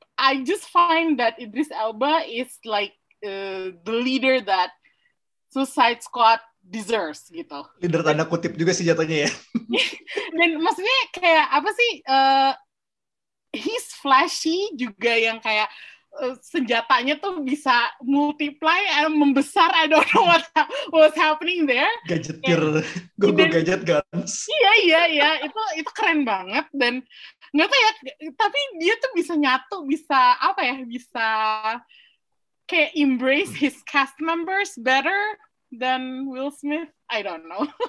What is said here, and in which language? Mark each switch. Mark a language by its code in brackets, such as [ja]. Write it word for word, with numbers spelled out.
[en] I just find that Idris Elba is like uh, the leader that Suicide Squad deserves [id] gitu. Leader tanda kutip juga sih jatuhnya ya. Dan maksudnya kayak apa sih? Uh, [en] he's flashy [id] juga yang kayak senjatanya tuh bisa [en] multiply and [id] membesar. [en] I don't know what was happening there. Gadget gear, go go gadget guns. [id] Iya iya iya, itu itu keren banget dan nggak tahu ya, tapi dia tuh bisa nyatu, bisa apa ya, bisa kayak [en] embrace his cast members better than Will Smith. I don't know.